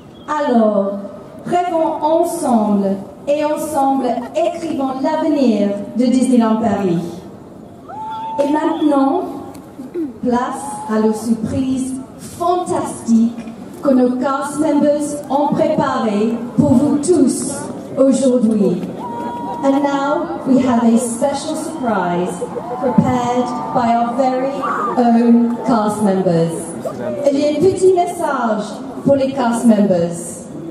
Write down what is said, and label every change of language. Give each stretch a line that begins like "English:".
French: Alors, rêvons ensemble et ensemble écrivons l'avenir de Disneyland Paris. Et maintenant, place à la surprise fantastique que nos cast members ont préparée pour vous tous aujourd'hui.
English: And now we have a special surprise prepared by our very own cast members.
French: Et j'ai un petit message pour les cast members.